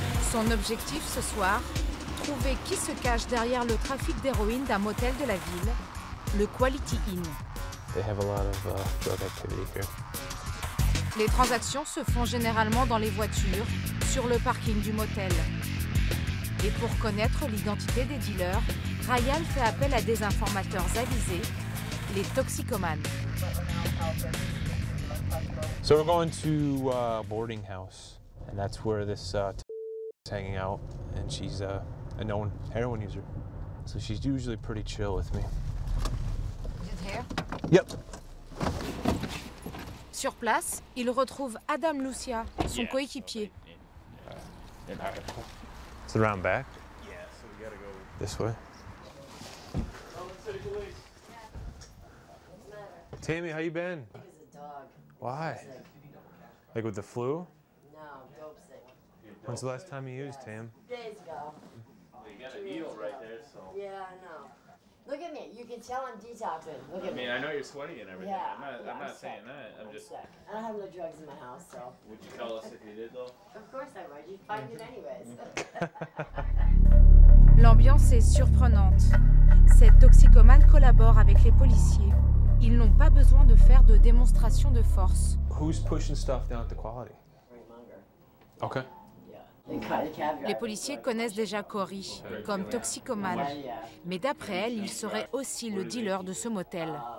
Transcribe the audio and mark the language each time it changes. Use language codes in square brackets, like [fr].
[fr] Son objectif ce soir, trouver qui se cache derrière le trafic d'héroïne d'un motel de la ville, le Quality Inn. [en] They have a lot of drug activity here. [fr] Les transactions se font généralement dans les voitures, sur le parking du motel. Et pour connaître l'identité des dealers, Ryan fait appel à des informateurs avisés, les toxicomanes. [en] So we're going to a boarding house, and that's where this is hanging out, and she's a known heroin user. So she's usually pretty chill with me. Is it here? Yep. [fr] Sur place, il retrouve Adam Lucia, son coéquipier. [en] It's around back. Yeah, so we gotta go this way. Tammy, how you been? He's a dog. Why? Like with the flu? No, dope sick. When's the last time you used, Tam? Days ago. Well, you got an eel right there, so. Yeah, I know. Look at me. You can tell I'm detoxing. Look at me. I mean, I know you're sweaty and everything. Yeah, I'm not saying that. I'm just sick. I don't have no drugs in my house, so. Would you tell us if you did, though? Of course I would. You'd find it anyways. [fr] L'ambiance est surprenante. Cette toxicomane collabore avec les policiers. Ils n'ont pas besoin de faire de démonstration de force. [en] Who's pushing stuff down at the quality? Okay. [fr] Les policiers connaissent déjà Corey comme toxicomane. Mais d'après elle, il serait aussi le dealer de ce motel.